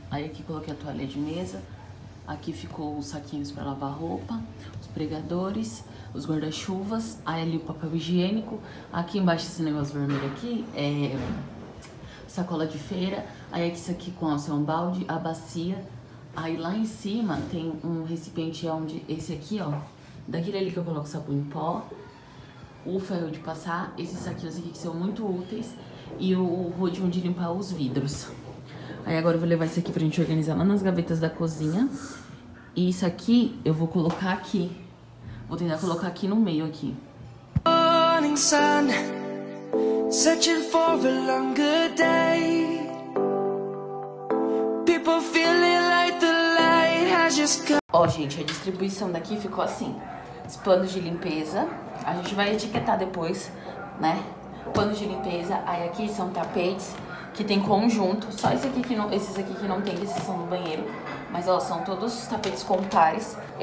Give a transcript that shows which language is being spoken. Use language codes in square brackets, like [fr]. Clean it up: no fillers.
[pt] Aí aqui coloquei a toalha de mesa, aqui ficou os saquinhos pra lavar roupa, os pregadores, os guarda-chuvas, aí ali o papel higiênico, aqui embaixo esse negócio vermelho aqui é sacola de feira, aí aqui isso aqui com alça é um balde, a bacia, aí lá em cima tem um recipiente onde esse aqui, ó, daquele ali que eu coloco sabão em pó, o ferro de passar, esses saquinhos aqui que são muito úteis, e o rodinho de limpar os vidros. Aí agora eu vou levar isso aqui pra gente organizar lá nas gavetas da cozinha. E isso aqui eu vou colocar aqui Vou tentar colocar aqui no meio aqui. [en] Morning sun, searching for a longer day. People feeling like the light has just come. [pt] Ó, gente, a distribuição daqui ficou assim. Os panos de limpeza, a gente vai etiquetar depois, né? Panos de limpeza, aí aqui são tapetes que tem conjunto. Só esse aqui que não, esses aqui que não tem, que são do banheiro. Mas, ó, são todos os tapetes com pares.